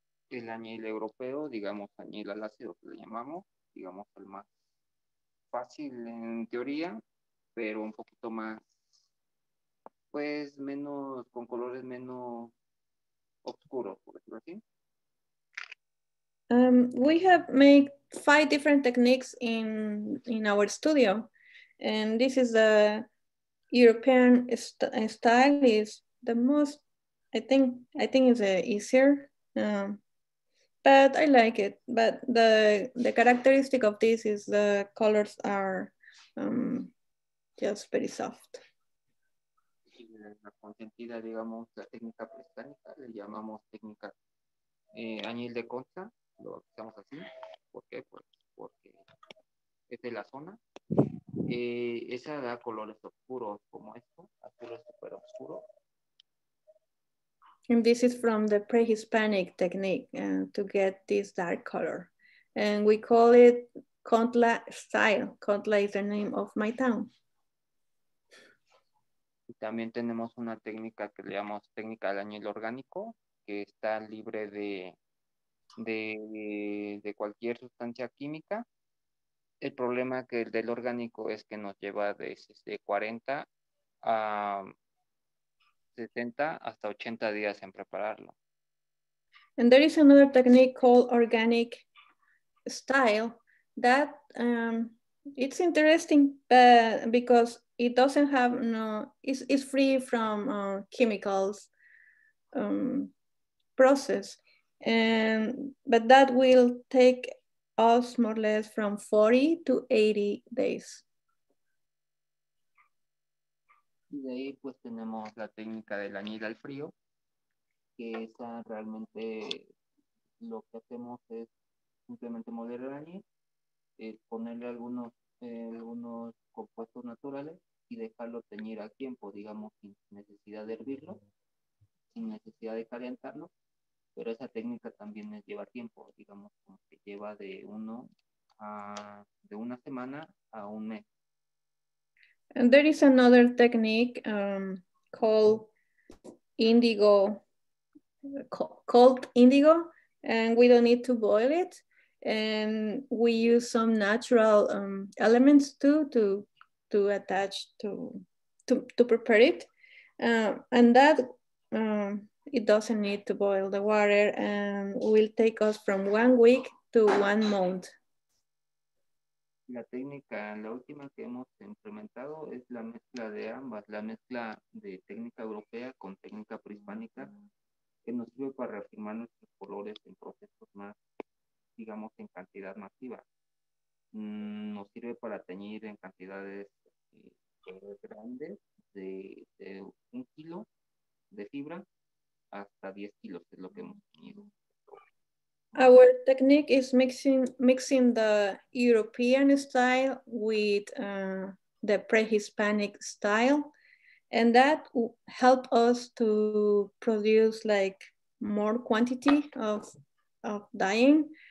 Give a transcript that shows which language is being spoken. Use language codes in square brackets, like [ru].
[es] El añil europeo, digamos añil al ácido, que le llamamos, digamos el más fácil en teoría, pero un poquito más, pues menos, con colores menos oscuros, por decirlo así. [en] We have made 5 different techniques in our studio, and this is the European style is the most, I think it's easier, but I like it. But the characteristic of this is the colors are just very soft. [es] La consentida, digamos, la técnica prehispánica, le llamamos técnica añil de concha, lo hacemos así. ¿Por qué? Pues porque es de la zona. Esa da colores oscuros como esto, azules super oscuros. [en] And this is from the pre-Hispanic technique to get this dark color. And we call it Contla style. Contla is the name of my town. [es] Y también tenemos una técnica que le llamamos técnica de añil orgánico, que está libre de cualquier sustancia química. El problema que el del orgánico es que nos lleva desde 40 a 70 hasta 80 días en prepararlo. [en] And there is another technique called organic style that it's interesting, but because it doesn't have it's free from chemicals process, but that will take us more or less from 40 to 80 days. [es] Y de ahí pues tenemos la técnica del añil al frío, que esa realmente lo que hacemos es simplemente moler el añil, ponerle algunos compuestos naturales y dejarlo teñir al tiempo, digamos, sin necesidad de hervirlo, sin necesidad de calentarlo. Pero esa técnica también lleva tiempo, digamos, como que lleva de una semana a un mes. [en] And there is another technique called indigo, cold indigo, and we don't need to boil it. And we use some natural elements to attach to prepare it. It doesn't need to boil the water and will take us from 1 week to 1 month. [es] La técnica, la última que hemos implementado es la mezcla de ambas, la mezcla de técnica europea con técnica prehispánica, que nos sirve para reafirmar nuestros colores en procesos más, digamos, en cantidad masiva. Nos sirve para teñir en cantidades grandes de 1 kilo de fibra hasta 10 kilos, es lo que hemos tenido. [en] Our technique is mixing the European style with the pre-Hispanic style, and that help us to produce like more quantity of dyeing.